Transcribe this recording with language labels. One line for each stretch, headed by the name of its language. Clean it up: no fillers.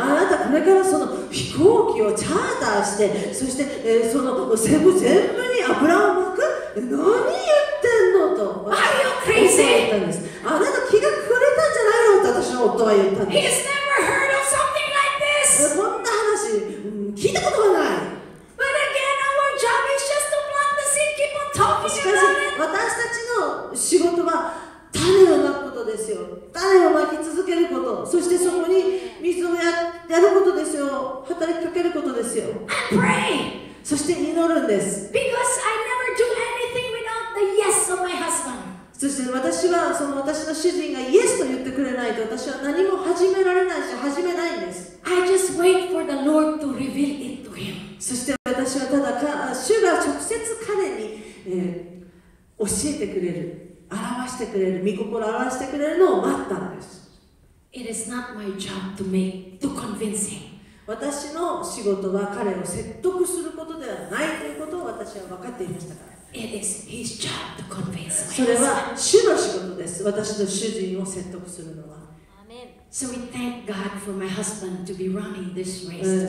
Japanese: あなた、これからその飛行機をチャーターして、そして、そのセブ全部に油を巻く? 何言ってんのと。
English: Are you crazy?
Japanese: あなた気が狂ったんじゃないのと私の夫は言ったんです
English: 。 He's never heard of something like this!
Japanese: こんな話、聞いたことがない。
English: But again, our job is just to plant the seed, keep on talking about it.
Japanese: 私たちの仕事は種をまくことですよ。種をまき続けること。そしてそこに水をやることですよ。働きかけることですよ。
English: I pray!
Japanese: そして祈るんです。
English: Because I never do anything without the yes of my husband.
Japanese: そして私はその私の主人が yes と言ってくれないと私は何も始められないし始めないんです。
English: I just wait for the Lord to reveal it to him.
Japanese: そして私はただ主が直接彼に、教えてくれる、表してくれる、御心を表してくれるのを待ったんです。
English: It is not my job to convince him.
Japanese: 私の仕事は彼を説得することではないということを私は分かっていましたから。
English: It is his job to convince me.
Japanese: それは主の仕事です。私の主人を説得するのは。
English: Amen. So we thank God for my husband to be running this race.